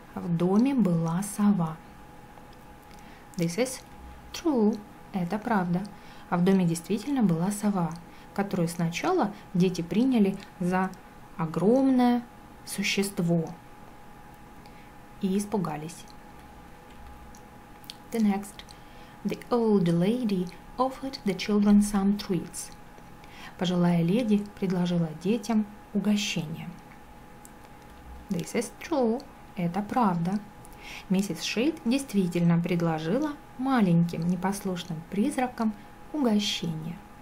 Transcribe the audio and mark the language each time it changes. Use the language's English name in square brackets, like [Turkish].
[Russian] В доме была сова. [English] This is true. [Russian] Это правда. А в доме действительно была сова, которую сначала дети приняли за огромное существо и испугались. [English] The next. The old lady offered the children some treats. [Russian] Пожилая леди предложила детям угощение. [English] This is true. [Russian] Это правда. Миссис Шейд действительно предложила маленьким непослушным призракам угощение.